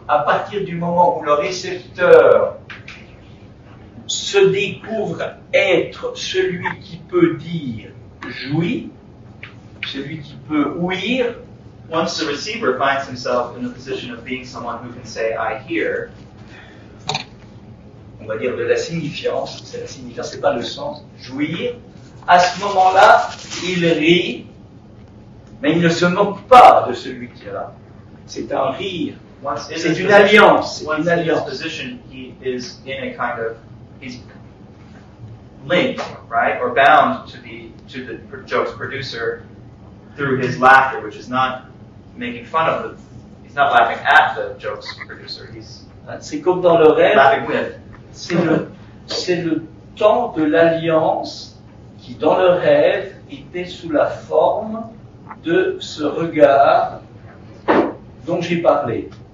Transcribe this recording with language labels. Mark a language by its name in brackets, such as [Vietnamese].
[French] À partir du moment où le récepteur se découvre être celui qui peut dire jouit, celui qui peut ouïr. [English] Once the receiver finds himself in the position of being someone who can say I hear, [French] on va dire de la signifiance, c'est la signifiance, c'est pas le sens, jouir, à ce moment-là, il rit, mais il ne se moque pas de celui qui est là. C'est un rire, c'est une alliance. [English] Once in his position, he is in a kind of, he's linked, right, or bound to the joke's producer through his laughter, which is not making fun of him. He's not laughing at the joke's producer, he's [French] c'est comme dans le rêve, [English] laughing with. [French] C'est le temps de l'alliance qui, dans le rêve, était sous la forme de ce regard dont j'ai parlé.